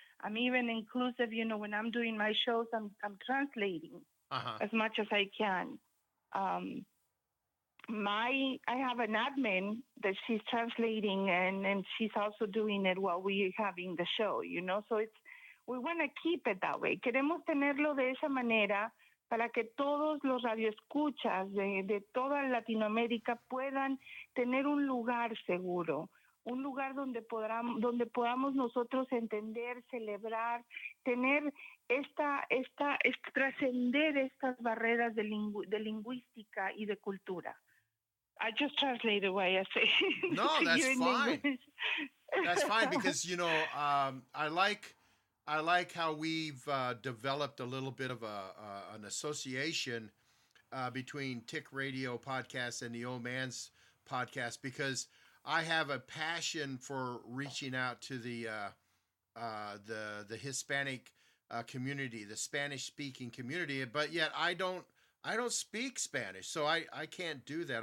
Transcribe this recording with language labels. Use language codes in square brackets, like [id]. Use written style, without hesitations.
[en] I'm even inclusive, you know, when I'm doing my shows, I'm translating as much as I can. My I have an admin that she's translating, and she's also doing it while we're having the show, you know. So it's, we want to keep it that way. [es] Queremos tenerlo de esa manera para que todos los radioescuchas de toda Latinoamérica puedan tener un lugar seguro, un lugar donde podamos, donde podamos nosotros entender, celebrar, tener esta, esta, esta trascender estas barreras de, de lingüística y de cultura. [en] I just translated what I say. No, that's fine. That's fine because, you know, I like how we've developed a little bit of a an association between Tick Radio Podcast and the Old Man's Podcast because I have a passion for reaching out to the Hispanic community, the Spanish speaking community, but yet I don't speak Spanish, so I can't do that.